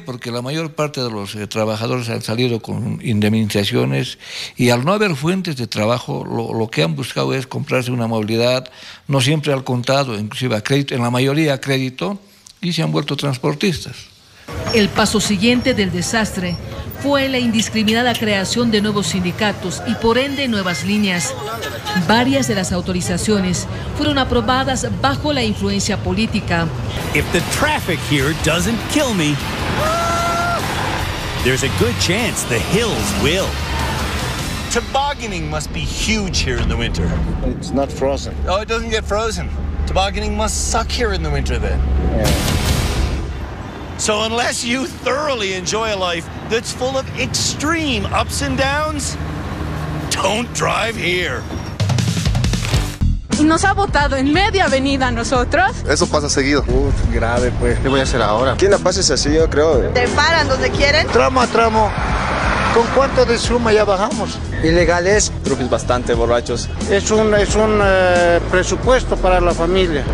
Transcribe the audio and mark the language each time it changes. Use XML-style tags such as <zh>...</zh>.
<es>Porque la mayor parte de los trabajadores han salido con indemnizaciones y al no haber fuentes de trabajo lo que han buscado es comprarse una movilidad, no siempre al contado, inclusive a crédito, en la mayoría a crédito, y se han vuelto transportistas. El paso siguiente del desastre fue la indiscriminada creación de nuevos sindicatos y por ende nuevas líneas. Varias de las autorizaciones fueron aprobadas bajo la influencia política.</es> <en>If the traffic here doesn't kill me, there's a good chance the hills will. Tobogganing must be huge here in the winter. It's not frozen. Oh, it doesn't get frozen. Tobogganing must suck here in the winter then. So unless you thoroughly enjoy a life that's full of extreme ups and downs, don't drive here.</en> <es>Nos ha botado en media avenida a nosotros. Eso pasa seguido. Uf, grave pues. ¿Qué voy a hacer ahora? ¿Quién la pasa así? Yo creo. Te paran donde quieren. Tramo a tramo. ¿Con cuánto de suma ya bajamos? Ilegal es. Creo que es bastante borrachos. Es un presupuesto para la familia.</es>